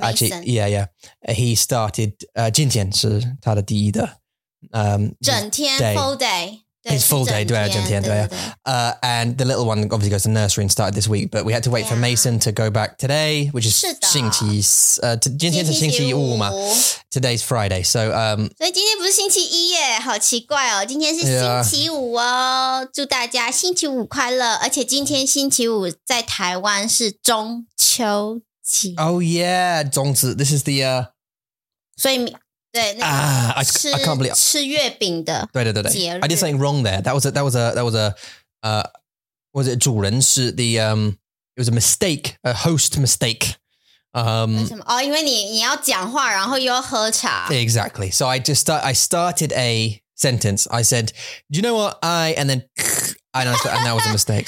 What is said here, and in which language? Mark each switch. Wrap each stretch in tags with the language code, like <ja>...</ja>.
<en>actually, yeah, yeah. He started,</en> <zh>今天是他的第一的。整天</zh> <en>day. Full day. His full day,</en> <zh>对啊，整天对啊。</zh> <en>And the little one obviously goes to nursery and started this week, but we had to wait for Mason to go back today, which is</en> <zh>星期今天是星期五嘛。</zh> <en>Today's Friday, so</en> <zh>所以今天不是星期一耶，好奇怪哦，今天是星期五哦。祝大家星期五快乐，而且今天星期五在台湾是中秋节。</zh> <en>Oh yeah, 中秋 this is the</en> <zh>所以对那个、</zh> <en>I can't believe</en> <zh>吃月饼的对对对对</zh> <en>I did something wrong there. That was a was it</en> <zh>主人是</zh> <en>the it was a mistake, a host mistake.</en> <zh>什么哦因为你要讲话然后又要喝茶</zh> <en>Exactly. So I started a sentence. I said, do you know what I, and then and that was a mistake.</en>